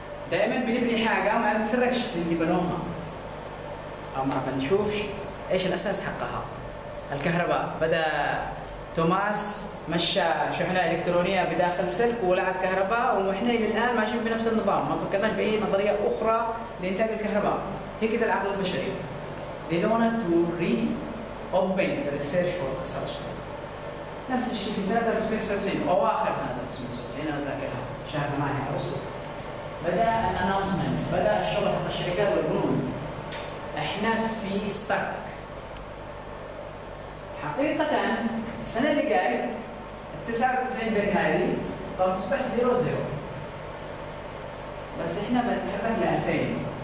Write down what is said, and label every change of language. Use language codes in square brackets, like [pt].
[ar] دائما بنبني حاجه ما بنفرقش اللي بنوها او ما بنشوفش ايش الاساس حقها. الكهرباء بدا توماس مشى شحنه الكترونيه بداخل سلك ولعت كهرباء، واحنا الى الان ماشيين بنفس النظام، ما فكرناش باي نظريه اخرى لانتاج الكهرباء. هي كده العقل البشري. [en] They don't want to reopen the research for the such things. [ar] نفس الشيء في سنة 1999 أو آخر سنة 1999 أنا أتذكر شهر 8 أغسطس بدأ الأنونسمنت، بدأ الشغل حق الشركات والبنود. إحنا في ستاك. حقيقة السنة اللي جاية 99 بيت هذه تصبح 00، بس إحنا بنتحرك ل 2000.